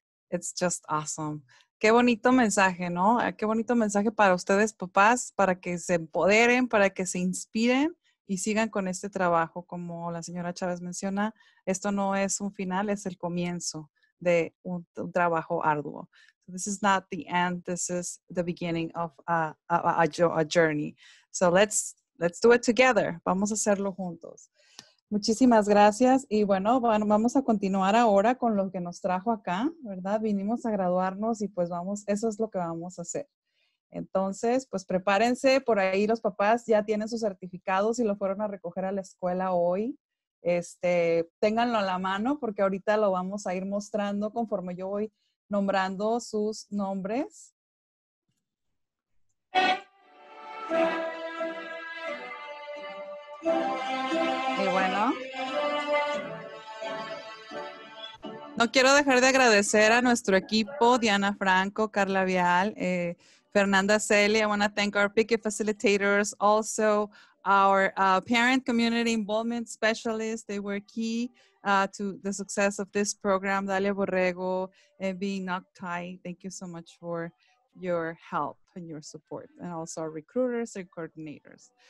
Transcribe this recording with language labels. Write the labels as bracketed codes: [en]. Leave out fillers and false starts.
[en] It's just awesome. [es] Qué bonito mensaje, ¿no? Qué bonito mensaje para ustedes, papás, para que se empoderen, para que se inspiren y sigan con este trabajo. Como la señora Chávez menciona, esto no es un final, es el comienzo de un trabajo arduo. [en] So this is not the end, this is the beginning of a journey. So let's do it together. [es] Vamos a hacerlo juntos. Muchísimas gracias. Y bueno, vamos a continuar ahora con lo que nos trajo acá, ¿verdad? Vinimos a graduarnos y pues vamos, eso es lo que vamos a hacer. Entonces, pues prepárense, por ahí los papás ya tienen sus certificados y lo fueron a recoger a la escuela hoy. Ténganlo a la mano porque ahorita lo vamos a ir mostrando conforme yo voy nombrando sus nombres. Y bueno, no quiero dejar de agradecer a nuestro equipo, Diana Franco, Carla Vial, Fernanda Celi. [en] I want to thank our PICA facilitators, also our parent community involvement specialists. They were key to the success of this program. Dalia Borrego and Bing Noctai, thank you so much for your help and your support, and also our recruiters and coordinators.